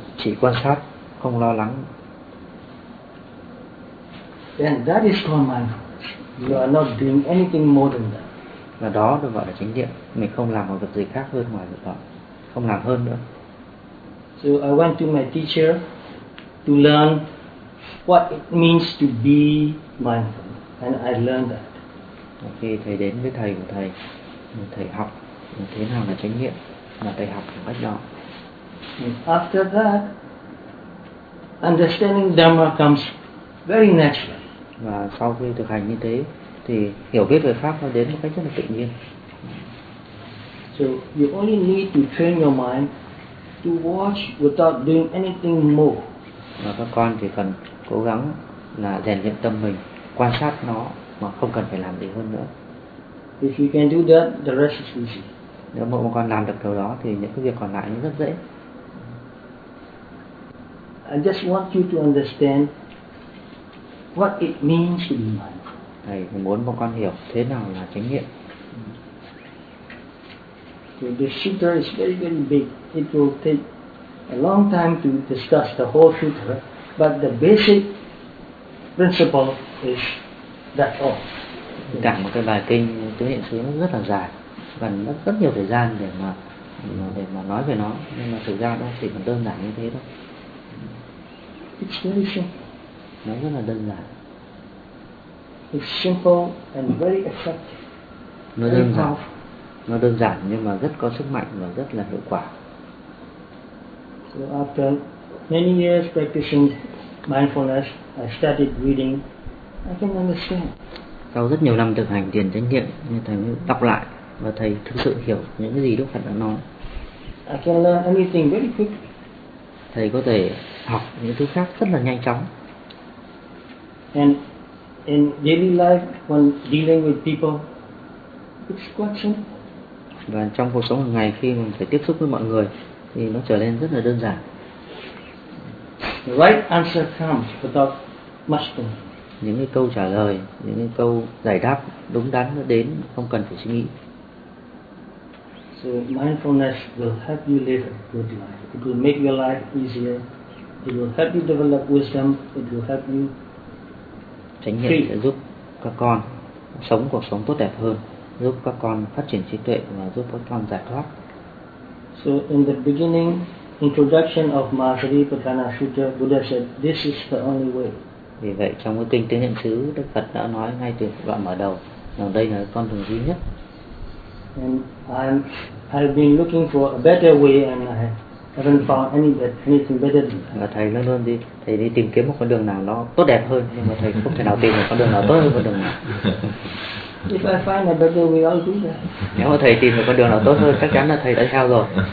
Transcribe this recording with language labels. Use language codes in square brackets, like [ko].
[vi] Chỉ quan sát, không lo lắng. [en] Then that is called mindfulness. You are not doing anything more than that. [vi] Và đó được gọi là chánh niệm. Mình không làm một việc gì khác hơn ngoài việc đó. Không làm hơn nữa. [en] So I went to my teacher to learn what it means to be mindful. And I learned that. [vi] Khi thầy đến với thầy của thầy, thầy học thế nào là chánh niệm, mà thầy học một cách đó. [en] After that, understanding Dhamma comes very naturally. [vi] Và sau khi thực hành như thế, thì hiểu biết về pháp nó đến một cách rất là tự nhiên. [en] So you only need to train your mind to watch without doing anything more. [vi] Và các con chỉ cần cố gắng là rèn luyện tâm mình, quan sát nó mà không cần phải làm gì hơn nữa. [en] If you can do that, the rest is easy. [vi] Nếu mà một con làm được điều đó thì những cái việc còn lại nó rất dễ. [en] I just want you to understand what it means to be mindful. [vi] Thầy muốn một con hiểu thế nào là chánh niệm. [en] So the sutra is very, very big. It will take a long time to discuss the whole sutra, but the basic principle is that all. [vi] Cả một cái bài kinh tứ niệm xứ rất là dài, cần rất nhiều thời gian để mà nói về nó, nhưng mà thực ra nó chỉ còn đơn giản như thế thôi. [en] It's very simple. [vi] Nó rất là đơn giản. [en] It's simple and very effective. [vi] Nó đơn giản. Nó đơn giản nhưng mà rất có sức mạnh và rất là hiệu quả. [en] So after many years practicing mindfulness, I started reading. I can understand. [vi] Sau rất nhiều năm thực hành thiền chánh niệm, thầy mới đọc lại và thầy thực sự hiểu những gì Đức Phật đã nói. [en] I can learn anything very quick. [vi] Thầy có thể học những thứ khác rất là nhanh chóng. [en] And in daily life, when dealing with people, it's quite simple. [vi] Và trong cuộc sống hàng ngày khi mình phải tiếp xúc với mọi người thì nó trở nên rất là đơn giản. [en] The right answer comes without much thinking. [vi] Những cái câu trả lời, những cái câu giải đáp đúng đắn nó đến không cần phải suy nghĩ. [en] So mindfulness will help you live a good life. It will make your life easier. It will help you develop wisdom. It will help you. [vi] Chánh niệm sẽ giúp các con sống cuộc sống tốt đẹp hơn, giúp các con phát triển trí tuệ và giúp các con giải thoát. [en] So in the beginning, introduction of Mahasaripatthana Sutra, Buddha said, this is the only way. [vi] Vì vậy trong cái kinh tứ niệm xứ, Đức Phật đã nói ngay từ đoạn mở đầu rằng đây là con đường duy nhất. [en] And I've been looking for a better way and I haven't found anything better than that. [vi] Và thầy luôn luôn đi tìm kiếm một con đường nào nó tốt đẹp hơn, nhưng mà thầy không thể nào tìm được con đường nào tốt hơn con đường nào. [en] If I find a better way, I'll do that. [vi] Nếu mà thầy tìm được con đường nào tốt hơn, chắc chắn là thầy đã theo rồi.